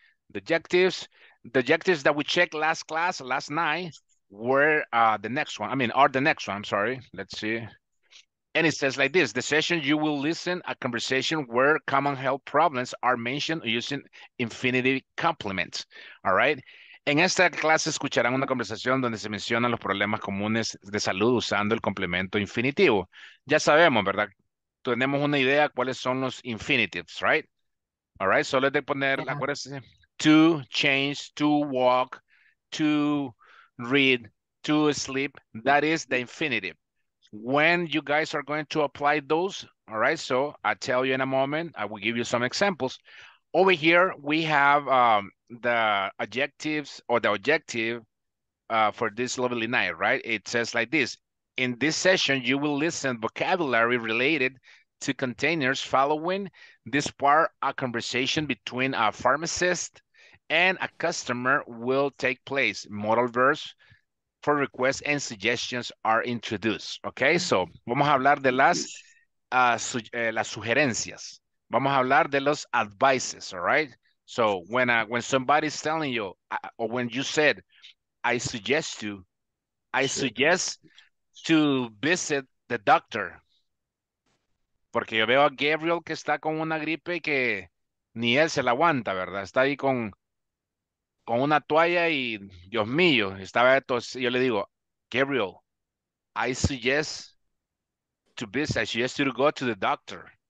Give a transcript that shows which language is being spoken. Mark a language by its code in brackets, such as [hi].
[en] The objectives that we checked last class, last night, were the next one. Let's see. And it says like this, the session you will listen a conversation where common health problems are mentioned using infinitive complements. All right. [es] En esta clase escucharán una conversación donde se mencionan los problemas comunes de salud usando el complemento infinitivo. Ya sabemos, ¿verdad? Tenemos una idea cuáles son los infinitives, right? [en] All right. [es] Solo es de poner, [en] yeah. Acuérdense. To change, to walk, to read, to sleep. That is the infinitive. When you guys are going to apply those, all right? So I tell you in a moment, I will give you some examples. Over here, we have the objective for this lovely night, right? It says like this. In this session, you will listen vocabulary related to containers following this part, a conversation between a pharmacist and a customer will take place. Modal verbs for requests and suggestions are introduced. [es] Okay, so vamos a hablar de las sugerencias. Vamos a hablar de los advices, all right? [en] So when somebody's telling you, or when you said, I suggest to visit the doctor. [es] Porque yo veo a Gabriel que está con una gripe que ni él se la aguanta, ¿verdad? Está ahí con una toalla y Dios mío, estaba tos, yo le digo, Gabriel, [en] I suggest you to go to the doctor.